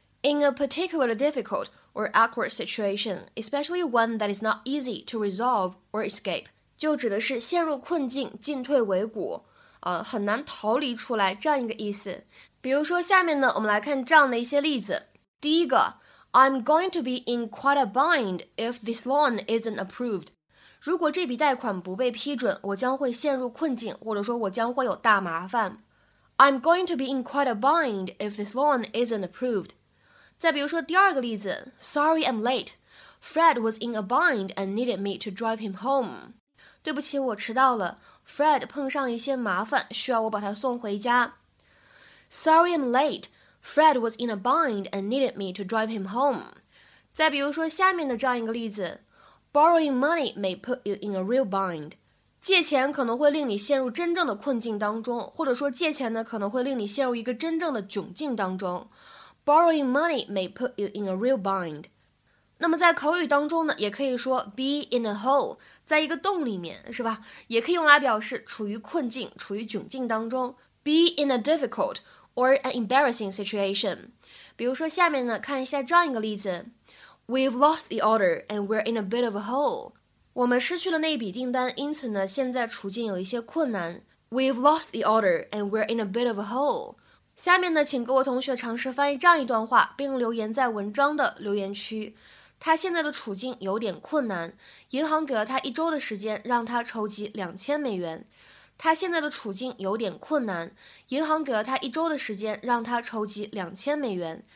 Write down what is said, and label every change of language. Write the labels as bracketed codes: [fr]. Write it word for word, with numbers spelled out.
[en] In a particularly difficult or awkward situation, especially one that is not easy to resolve or escape, [zh] 就指的是陷入困境，进退维谷，呃，很难逃离出来这样一个意思。比如说下面呢我们来看这样的一些例子。第一个 [en] I'm going to be in quite a bind if this loan isn't approved. [zh] 如果这笔贷款不被批准，我将会陷入困境，或者说我将会有大麻烦。 [en] I'm going to be in quite a bind if this loan isn't approved. [zh] 再比如说第二个例子 [en] ，Sorry I'm late. Fred was in a bind and needed me to drive him home. [zh] 对不起，我迟到了。Fred 碰上一些麻烦，需要我把他送回家。 [en] Sorry I'm late. Fred was in a bind and needed me to drive him home. [zh] 再比如说下面的这样一个例子 [en] ，Borrowing money may put you in a real bind. [zh] 借钱可能会令你陷入真正的困境当中，或者说借钱呢可能会令你陷入一个真正的窘境当中。 [en] Borrowing money may put you in a real bind. [zh] 那么在口语当中呢，也可以说 [en] be in a hole， [zh] 在一个洞里面，是吧？也可以用来表示处于困境、处于窘境当中。 [en] Be in a difficult or an embarrassing situation. [zh] 比如说下面呢，看一下这样一个例子 [en] ：We've lost the order and we're in a bit of a hole. [zh] 我们失去了那笔订单，因此呢，现在处境有一些困难。 [en] We've lost the order and we're in a bit of a hole. [zh] 下面呢，请各位同学尝试翻译这样一段话，并留言在文章的留言区。他现在的处境有点困难，银行给了他一周的时间，让他筹集两千美元。他现在的处境有点困难，银行给了他一周的时间，让他筹集两千美元。